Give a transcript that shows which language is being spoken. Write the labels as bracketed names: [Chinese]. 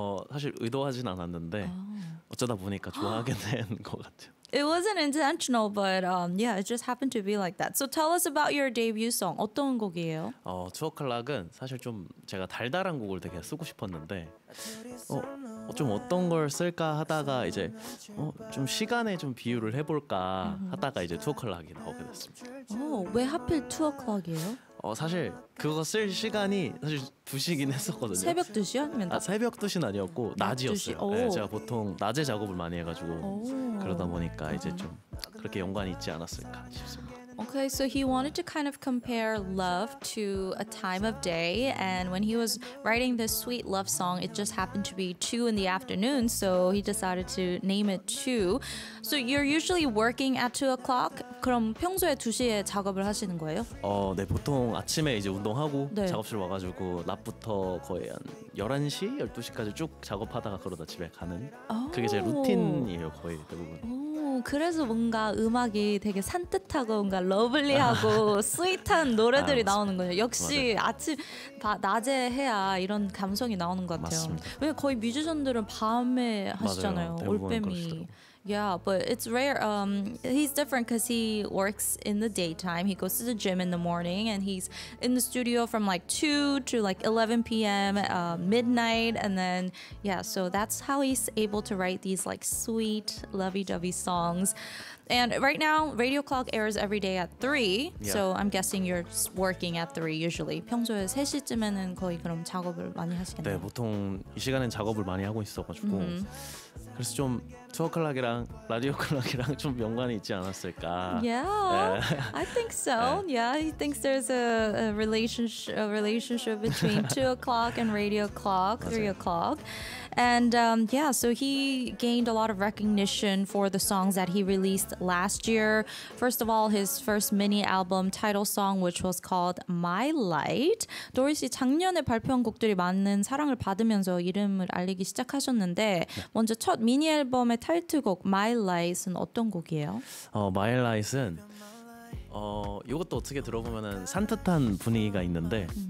[Korean] 사실 의도하진 않았는데 어쩌다 보니까 좋아하게 된 것 같아요. [English] It wasn't intentional, but yeah, it just happened to be like that. So tell us about your debut song. [Korean] 어떤 곡이에요? 2 o'clock은 사실 좀 제가 달달한 곡을 되게 쓰고 싶었는데 좀 어떤 걸 쓸까 하다가 이제 좀 시간에 좀 비유를 해볼까 하다가 이제 2 o'clock이 나오게 됐습니다. 왜 하필 2 o'clock이에요? 사실 그거 쓸 시간이 사실 2시긴 했었거든요. 새벽 2시요? 아니면 새벽 2시는 아니었고 낮이었어요. 네, 제가 보통 낮에 작업을 많이 해가지고 그러다 보니까 이제 좀 그렇게 연관이 있지 않았을까 싶습니다. [English] Okay, so he wanted to kind of compare love to a time of day, and when he was writing this sweet love song, it just happened to be 2 in the afternoon, so he decided to name it 2. So you're usually working at 2 o'clock? [Korean] 그럼 평소에 2시에 작업을 하시는 거예요? 네, 보통 아침에 이제 운동하고 네. 작업실 와가지고 낮부터 거의 한 11시, 12시까지 쭉 작업하다가 그러다 집에 가는 그게 제 루틴이에요, 거의 대부분. 그래서 뭔가 음악이 되게 산뜻하고 뭔가 러블리하고 스윗한 노래들이 나오는 거예요. 역시 맞아요. 아침 낮에 해야 이런 감성이 나오는 것 같아요. 맞습니다. 왜 거의 뮤지션들은 밤에 하시잖아요. 올빼미. [English] Yeah, but it's rare. He's different because he works in the daytime. He goes to the gym in the morning and he's in the studio from like 2 to like 11 p.m. Midnight. And then, yeah, so that's how he's able to write these like sweet lovey-dovey songs. And right now, Radio Clock airs every day at 3. Yeah. So I'm guessing you're working at 3 usually. [Korean] 평소에 3시쯤에는 거의 그럼 작업을 많이 하시겠네요. 네, 보통 이 시간엔 작업을 많이 하고 있어가지고. 그래서 좀... 투어 클락이랑 라디오 클락이랑 좀 연관이 있지 않았을까? [English] Yeah, I think so. Yeah, he thinks there's a relationship between 2 o'clock and radio clock, 3 o'clock. And yeah, so he gained a lot of recognition for the songs that he released last year. First of all, his first mini album title song, which was called My Light. [Korean] Dory 씨 작년에 발표한 곡들이 많은 사랑을 받으면서 이름을 알리기 시작하셨는데 네. 먼저 첫 미니 앨범의 타이틀곡 My Light은 어떤 곡이에요? My Light은 이것도 어떻게 들어보면은 산뜻한 분위기가 있는데.